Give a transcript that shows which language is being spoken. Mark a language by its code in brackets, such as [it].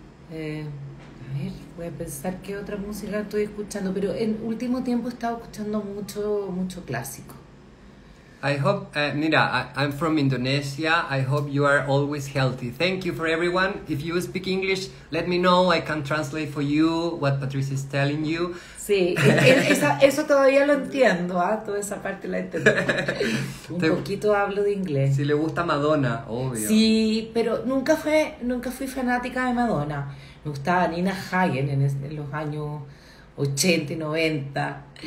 [es] A ver, voy a pensar qué otra música estoy escuchando, pero en último tiempo he estado escuchando mucho, mucho clásico. [en] I hope, [es] mira, [en] I'm from Indonesia. I hope you are always healthy. Thank you for everyone. If you speak English, let me know. I can translate for you what Patricia is telling you. [es] Sí, eso todavía lo entiendo, ¿eh? Toda esa parte la entiendo. Un poquito hablo de inglés. Si le gusta Madonna, obvio. Sí, pero nunca fui fanática de Madonna. Me gustaba Nina Hagen en los años 80 y 90.